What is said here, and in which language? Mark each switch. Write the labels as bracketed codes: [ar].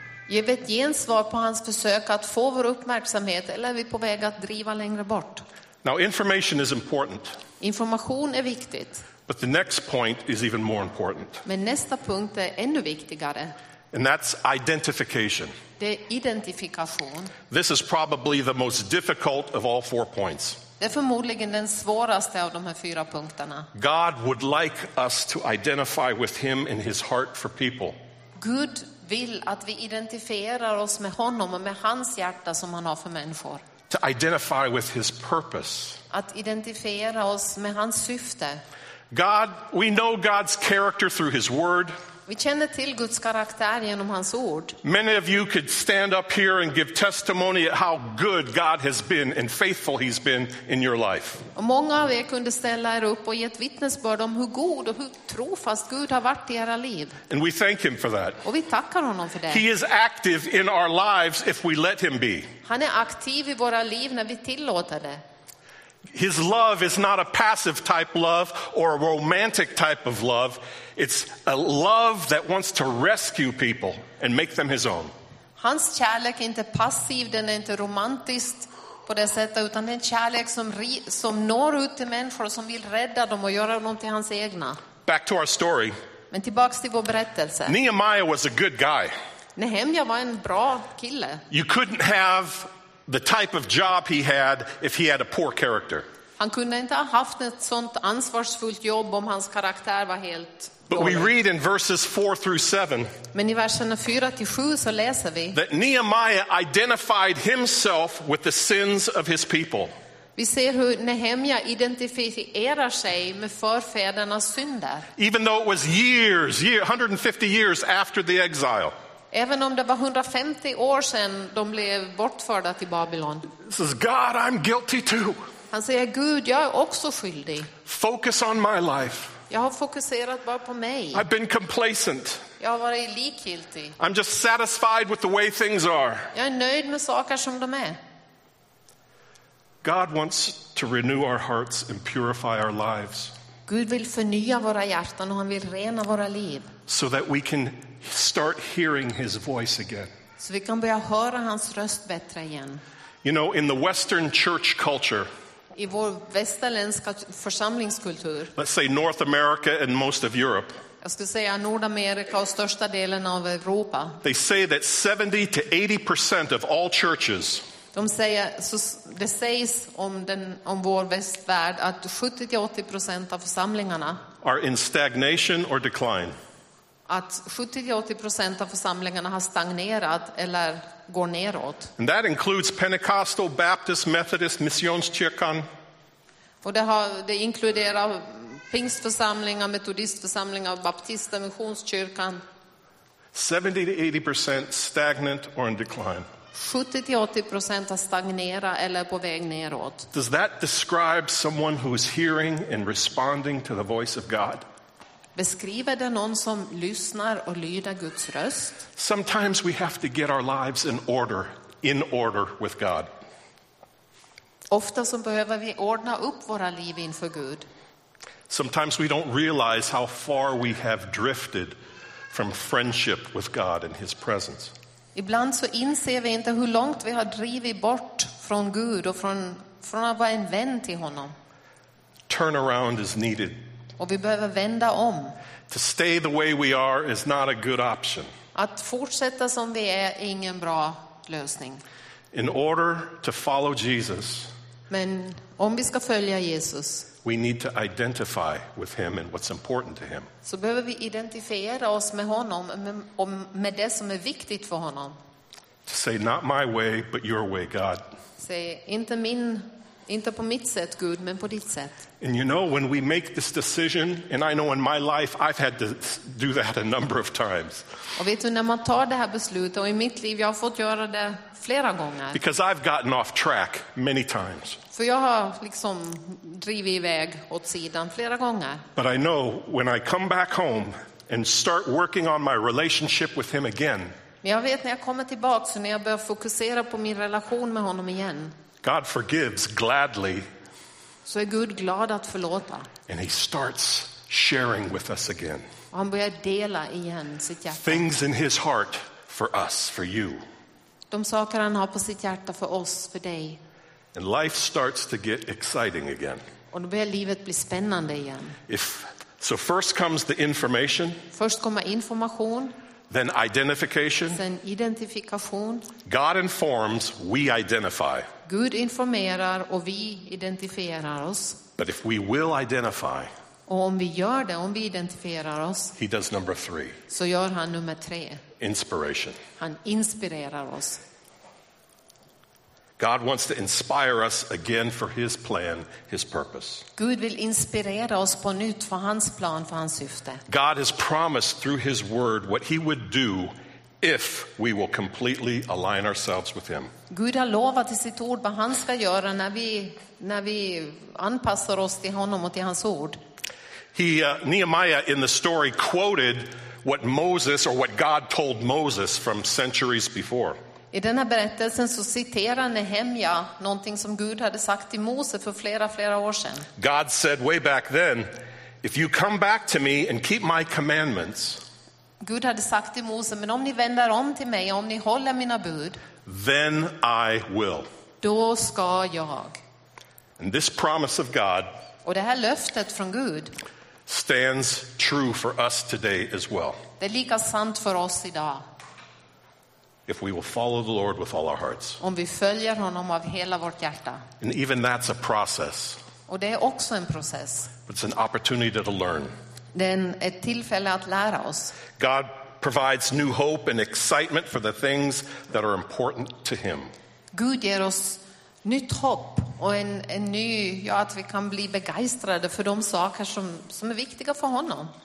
[sv] Ger vi ett gensvar på hans försök att få vår uppmärksamhet, eller är vi på väg att driva längre bort? [en] Now information is important. [sv] Information är viktigt. [en] But the next point is even more important. [sv] Men nästa punkt är ännu viktigare. [en] And that's identification. [sv] Det är identifikation. [en] This is probably the most difficult of all four points. [sv] Det är förmodligen den svåraste av de här fyra punkterna. [en] God would like us to identify with him in his heart for people. [sv] Gud vill att vi identifierar oss med honom och med hans hjärta som han har för människor. [en] To identify with his purpose. [sv] Att identifiera oss med hans syfte. [en] God, we know God's character through his word. [sv] Vi känner till Guds karaktär genom hans ord. [en] Many of you could stand up here and give testimony at how good God has been and faithful he's been in your life. [sv] Och många av er kunde ställa er upp och ge ett vittnesbörd om hur god och hur trofast Gud har varit i era liv. [en] And we thank him for that. [sv] Och vi tackar honom för det. [en] He is active in our lives if we let him be. [sv] Han är aktiv i våra liv när vi tillåter det. [en] His love is not a passive type love or a romantic type of love. It's a love that wants to rescue people and make them his own. [sv] Hans kärlek är inte passiv, den är inte romantisk på det sättet, utan den kärlek som når ut till människor och som vill rädda dem och göra dem till hans egna. [en] Back to our story. [sv] Men tillbaka till vår berättelse. [en] Nehemiah was a good guy. [sv] Nehemja var en bra kille. [en] You couldn't have the type of job he had if he had a poor character. [sv] Han kunde inte ha haft ett sånt ansvarsfullt jobb om hans karaktär var helt dålig. [en] But we read in verses 4-7. [sv] Men i verserna 4-7 så läser vi. [en] That Nehemiah identified himself with the sins of his people. [sv] Vi ser hur Nehemja identifierar sig med förfädernas synder. [en] Even though it was years, 150 years after the exile. [sv] Även om det var 150 år sedan de blev bortförda till Babylon. [en] He says, God, I'm guilty too. [sv] Han säger, Gud, jag är också skyldig. [en] Focus on my life. [sv] Jag har fokuserat bara på mig. [en] I've been complacent. [sv] Jag har varit likgiltig. [en] I'm just satisfied with the way things are. [sv] Jag är nöjd med saker som de är. [en] God wants to renew our hearts and purify our lives. [sv] Gud vill förnya våra hjärtan och han vill rena våra liv. [en] So that we can start hearing his voice again. [sv] Så vi kan börja höra hans röst bättre igen. [en] You know, in the Western church culture, [sv] i vår västerländska församlingskultur, [en] let's say North America and most of Europe, [sv] jag skulle säga Nordamerika och största delen av Europa, [en] they say that 70-80% of all churches, [sv] de säger, så det sägs om vår västvärld att 70-80% av församlingarna [en] are in stagnation or decline. [sv] Att 70-80% av församlingarna har stagnerat eller går neråt. [en] And that includes Pentecostal, Baptist, Methodist, Missionskyrkan. [sv] Och det inkluderar pingstförsamlingar, metodistförsamlingar, baptister, missionskyrkan. [en] 70-80% stagnant or in decline. [sv] 70-80% har stagnerat eller på väg neråt. [en] Does that describe someone who is hearing and responding to the voice of God? [sv] Beskriver det någon som lyssnar och lyder Guds röst? [en] Sometimes we have to get our lives in order with God. [sv] Ofta så behöver vi ordna upp våra liv inför Gud. [en] Sometimes we don't realize how far we have drifted from friendship with God and his presence. [sv] Ibland så inser vi inte hur långt vi har drivit bort från Gud och från att vara en vän till honom. [en] Turn around is needed. [sv] Och vi behöver vända om. [en] To stay the way we are is not a good option. [sv] Att fortsätta som vi är ingen bra lösning. [en] In order to follow Jesus. [sv] Men om vi ska följa Jesus. [en] We need to identify with him and what's important to him. [sv] Så behöver vi identifiera oss med honom och med det som är viktigt för honom. [en] To say not my way but your way, God. [sv] Säg inte på mitt sätt Gud, men på ditt sätt. [en] And you know, when we make this decision, and I know in my life I've had to do that a number of times. [sv] Och vet du, när man tar det här beslutet, och i mitt liv jag har fått göra det flera gånger. [en] Because I've gotten off track many times. [sv] För jag har liksom drivit iväg åt sidan flera gånger. [en] But I know when I come back home and start working on my relationship with him again. [sv] Men jag vet när jag kommer tillbaka, så när jag börjar fokusera på min relation med honom igen. [en] God forgives gladly. [sv] Så är Gud glad att förlåta. [en] And he starts sharing with us again. [sv] Och han börjar dela igen sitt hjärta. [en] Things in his heart for us, for you. [sv] De saker han har på sitt hjärta för oss, för dig. [en] And life starts to get exciting again. [sv] Och då börjar livet bli spännande igen. [en] So first comes the information. [sv] Först kommer information. [en] Then identification. [sv] Sen identifikation. [en] God informs, we identify. [sv] Gud informerar och vi identifierar oss. [en] But if we will identify. [sv] Och om vi gör det, om vi identifierar oss. [en] He does number three. [sv] Så gör han nummer tre. [en] Inspiration. [sv] Han inspirerar oss. [en] God wants to inspire us again for his plan, his purpose. [sv] Gud vill inspirera oss på nytt för hans plan, för hans syfte. [en] God has promised through his word what he would do if we will completely align ourselves with him. [sv] Gud har lovat i sitt ord vad han ska göra när vi anpassar oss till honom och till hans ord. [en] Nehemiah in the story quoted what Moses or what God told Moses from centuries before. [sv] I den här berättelsen så citerar Nehemja någonting som Gud hade sagt till Mose för flera år sedan. [en] God said way back then, if you come back to me and keep my commandments. [sv] Gud hade sagt till Mose, men om ni vänder om till mig, om ni håller mina bud, [en] then I will. [sv] Då ska jag. [en] And this promise of God, [sv] och det här löftet från Gud, [en] stands true for us today as well. [sv] Det är lika sant för oss idag. [en] If we will follow the Lord with all our hearts. [sv] Om vi följer honom av hela vårt hjärta. [en] And even that's a process. [sv] Och det är också en process. [en] It's an opportunity to learn. [sv] Det är ett tillfälle att lära oss. [en] God provides new hope and excitement for the things that are important to him. [sv] Gud ger oss nytt hopp och en ny, ja, att vi kan bli begeistrade för de saker som är viktiga för honom.